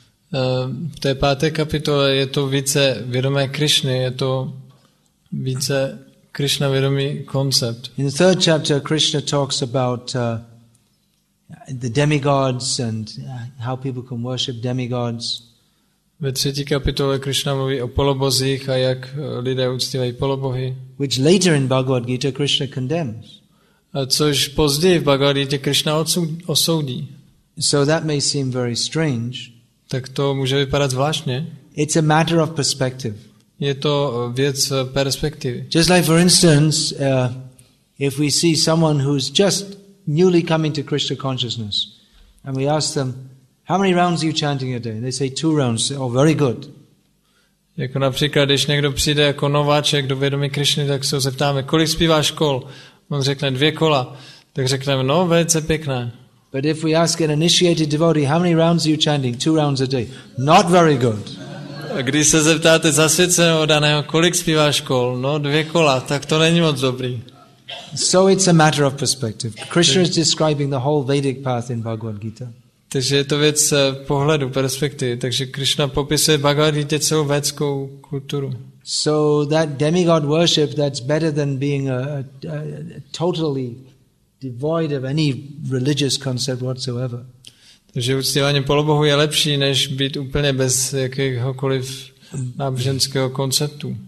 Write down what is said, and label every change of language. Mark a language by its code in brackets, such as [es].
[cs] V té páté kapitole je to více vědomé Krišny, je to více Krišna vědomý koncept. [en] In the third chapter Krishna talks about the demigods and how people can worship demigods. [cs] Ve třetí kapitole Krishna mluví o polobozích a jak lidé uctívají polobohy. [en] Which later in Bhagavad Gita Krishna condemns. [cs] A což později v Bhagavad Gita Krishna osoudí. [en] So that may seem very strange. [cs] Tak to může vypadat zvláštně. [en] It's a matter of perspective. [cs] Je to věc perspektivy. [en] Just like for instance, if we see someone who's just newly coming to Krishna consciousness, and we ask them, how many rounds are you chanting a day? And they say, 2 rounds. Oh, very good. [cs] Jako například, když někdo přijde jako nováček do vědomí Krišny, tak se ho zeptáme, kolik zpíváš kol? On řekne, 2 kola. Tak řekneme, no, velice pěkné. [en] But if we ask an initiated devotee, how many rounds are you chanting? 2 rounds a day. Not very good. [cs] A když se zeptáte zasvěceného daného, kolik zpíváš kol? No, 2 kola. Tak to není moc dobrý. [en] So it's a matter of perspective. Krishna is describing the whole Vedic path in Bhagavad Gita. [cs] Takže je to věc pohledu, perspektivy. Takže Krishna popisuje Bhagavad Gita celou védskou kulturu. [en] So that demigod worship, that's better than being totally devoid of any religious concept whatsoever. [cs] Takže uctívání polobohu je lepší, než být úplně bez jakéhokoliv náboženského konceptu.